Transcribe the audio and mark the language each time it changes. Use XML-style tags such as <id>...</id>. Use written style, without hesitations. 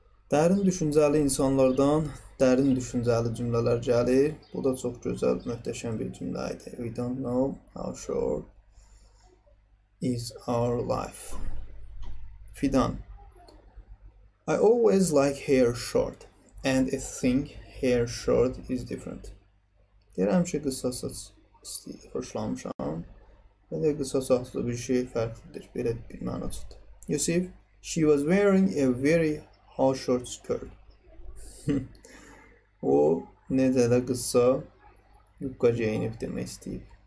<az>Dərin düşüncəli insanlardan dərin düşüncəli cümlələr gəlir. Bu da çok güzel, mühteşem bir cümlə idi.</az> <en>We don't know how short is our life. Fidan. I always like hair short and I think hair short is different.</en> <az>Deyirəm ki, qısa saç hoşlanmışam. Belə qısa saçlı bir şey fərqlidir. Belə bir mənasıdır. Yusuf. She was wearing a very how short skirt. O necə də qısa yubka geyinib demək istəyib.</az>